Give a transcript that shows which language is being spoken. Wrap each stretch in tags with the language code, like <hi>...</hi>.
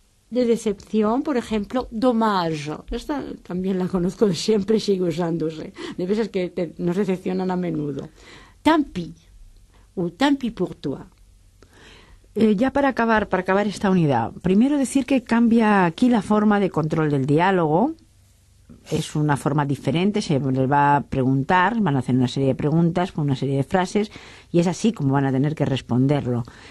<es>De decepción, por ejemplo, dommage. Esta también la conozco de siempre y sigue usándose. De veces que nos decepcionan a menudo.</es> <fr>Tant pis, ou tant pis pour toi.</fr> <es>Ya para acabar esta unidad, primero decir que cambia aquí la forma de control del diálogo. Es una forma diferente, se les va a preguntar, van a hacer una serie de preguntas con una serie de frases y es así como van a tener que responderlo.</es>